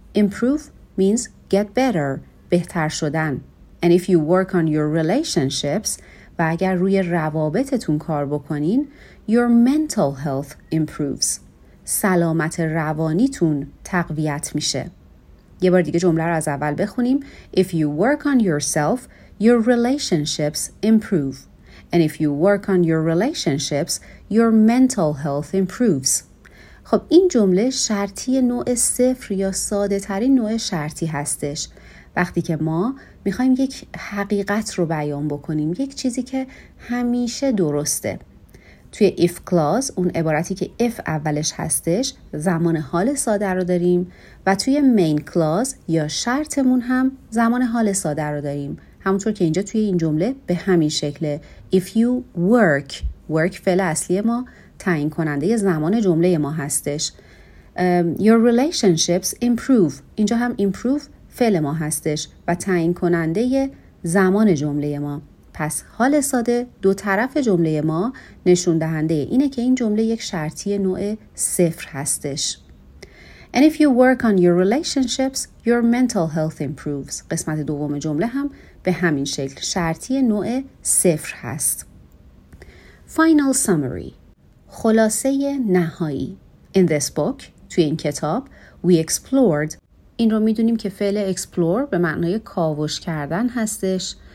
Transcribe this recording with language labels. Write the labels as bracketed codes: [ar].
[en] improve means get better، [fa] بهتر شدن. [en] and if you work on your relationships، [fa] و اگر روی روابطتون کار بکنین، [en] your mental health improves، [fa] سلامت روانیتون تقویت میشه. یه بار دیگه جمله رو از اول بخونیم. [en] If you work on yourself, your relationships improve. And if you work on your relationships, your mental health improves. [fa] خب این جمله شرطی نوع صفر یا ساده ترین نوع شرطی هستش. وقتی که ما میخواییم یک حقیقت رو بیان بکنیم، یک چیزی که همیشه درسته. توی if clause اون عبارتی که if اولش هستش زمان حال ساده رو داریم و توی main clause یا شرطمون هم زمان حال ساده رو داریم، همونطور که اینجا توی این جمله به همین شکله. [en] if you work، [fa] work فعل اصلی ما، تعیین کننده زمان جمله ما هستش. [en] your relationships improve، [fa] اینجا هم improve فعل ما هستش و تعیین کننده زمان جمله ما. پس حال ساده دو طرف جمله ما نشون دهنده اینه که این جمله یک شرطی نوع صفر هستش. [en] And if you work on your relationships, your mental health improves. [fa] قسمت دوم جمله هم به همین شکل شرطی نوع صفر هست. [en] Final summary. [fa] خلاصه نهایی. [en] In this book, [fa] توی این کتاب, [en] we explored. [fa] این رو میدونیم که فعل explore به معنای کاوش کردن هستش.